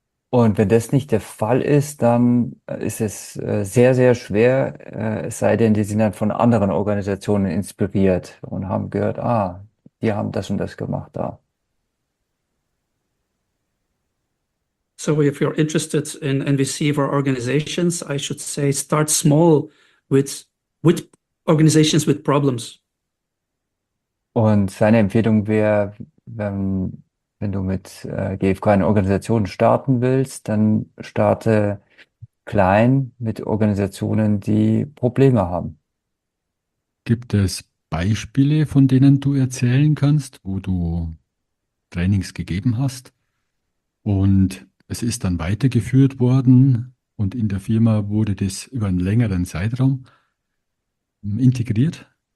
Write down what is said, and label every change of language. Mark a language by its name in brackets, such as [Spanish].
[German] Und wenn das nicht der Fall ist, dann ist es sehr, sehr schwer, es sei denn, die sind dann von anderen Organisationen inspiriert und haben gehört, ah, die haben das und das gemacht da. [English] So, if you're interested in NVC for organizations, I should say start small with organizations with problems. [German] Und seine Empfehlung wäre, wenn du mit GfK in Organisationen starten willst, dann starte klein mit Organisationen, die Probleme haben. Gibt es Beispiele, von denen du erzählen kannst, wo du Trainings gegeben hast und es ist dann weitergeführt worden und in der Firma wurde das über einen längeren Zeitraum integriert?